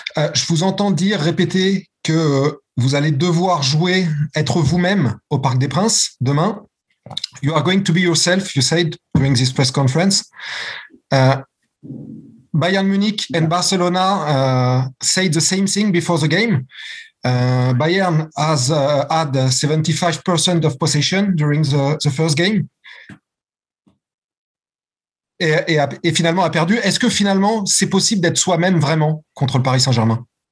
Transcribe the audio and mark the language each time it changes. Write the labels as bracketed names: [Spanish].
[French] Je vous entends dire, répéter que vous allez devoir jouer, être vous-même au Parc des Princes demain. [English] You are going to be yourself, you said during this press conference. Bayern Munich and Barcelona said the same thing before the game. Bayern has had 75% of possession during the first game. [French] Et finalement a perdu. Est-ce que finalement c'est possible d'être soi-même vraiment contre le Paris Saint-Germain?